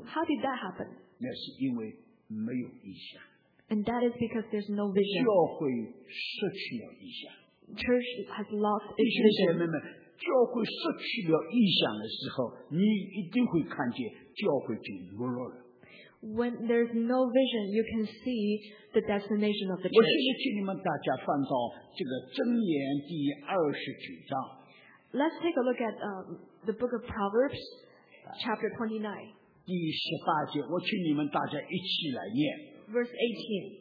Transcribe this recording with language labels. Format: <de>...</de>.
<en>？How did that happen？</en> <zh>那是因为没有意向。</zh> <en>And that is because there's no vision.</en> <zh>教会失去了意向。</zh> <en>Church has lost its vision.</en> <zh>弟兄姐妹们，教会失去了意向的时候，你一定会看见教会就没落了。</zh> <en>When there's no vision, you can see the destination of the church.</en> <zh>我现在请你们大家翻到这个箴言第二十九章。</zh> <en>Let's take a look at the book of Proverbs, chapter 29.</en> <zh>第十八节，我请你们大家一起来念。</zh>